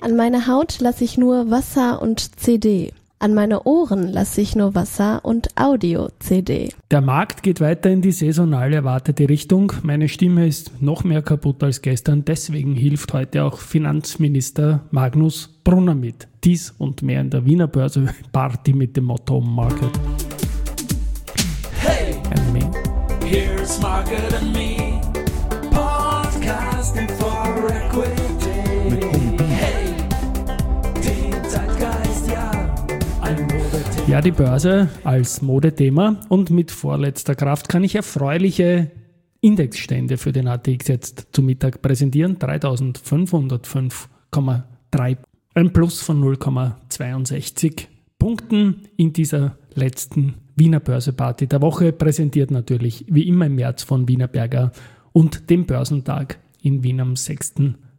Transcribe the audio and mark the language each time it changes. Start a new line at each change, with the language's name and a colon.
German: An meiner Haut lasse ich nur Wasser und CD. An meine Ohren lasse ich nur Wasser und Audio CD. Der Markt geht weiter in die saisonal erwartete Richtung. Meine Stimme ist noch mehr kaputt als gestern. Deswegen hilft heute auch Finanzminister Magnus Brunner mit. Dies und mehr in der Wiener Börse Party mit dem Motto Market.
English: Here's Market and Me, podcasting for equity.
German: Hey, den Zeitgeist, ja, ein Modethema. Ja, die Börse als Modethema und mit vorletzter Kraft kann ich erfreuliche Indexstände für den ATX jetzt zu Mittag präsentieren. 3.505,3, ein Plus von 0,62 Punkten in dieser letzten Wiener Börseparty der Woche, präsentiert natürlich wie immer im März von Wienerberger und dem Börsentag in Wien am 6.4.